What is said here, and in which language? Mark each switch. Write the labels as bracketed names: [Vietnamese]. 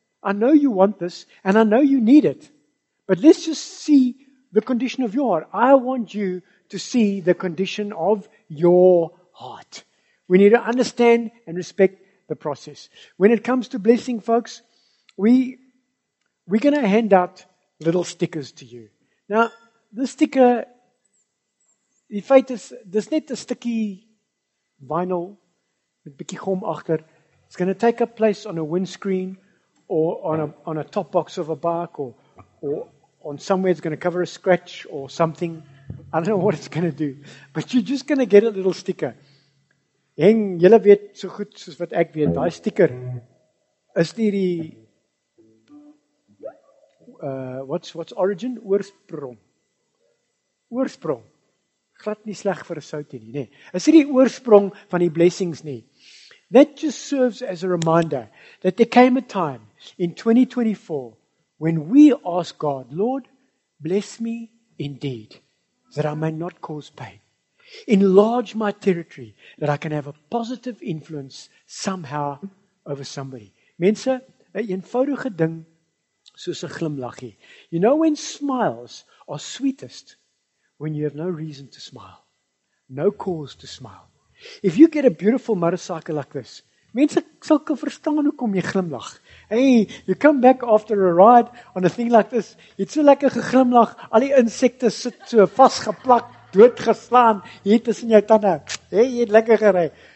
[English] I know you want this, and I know you need it. But let's just see the condition of your heart. I want you to see the condition of your heart. We need to understand and respect the process. When it comes to blessing, folks, we're going to hand out little stickers to you. Now, this sticker, [Afrikaans] die feit is, dis net 'n stukkie vinyl met bietjie gom agter. [English] It's going to take up place on a windscreen or on a top box of a bike or on somewhere it's going to cover a scratch or something. I don't know what it's going to do. But you're just going to get a little sticker. [Afrikaans] En julle weet so goed soos wat ek weet, daai sticker is nie die [English] what's origin? [Afrikaans] Oorsprong. Glad nie sleg vir 'n soutie nie, nee. Is hier die oorsprong van die blessings nie. [English] That just serves as a reminder that there came a time in 2024 when we asked God, Lord, bless me indeed that I may not cause pain. Enlarge my territory that I can have a positive influence somehow over somebody. [Afrikaans] Mense, 'n eenvoudige ding soos 'n glimlaggie. [English] You know when smiles are sweetest? When you have no reason to smile, no cause to smile. If you get a beautiful motorcycle like this, [Afrikaans] mense sal kan verstaan hoekom jy glimlag. [English] Hey, you come back after a ride on a thing like this, [Afrikaans] jy't so lekker geglimlag, al die insekte sit so vasgeplak, doodgeslaan, hier tussen jou tande. Hey, jy't lekker gery.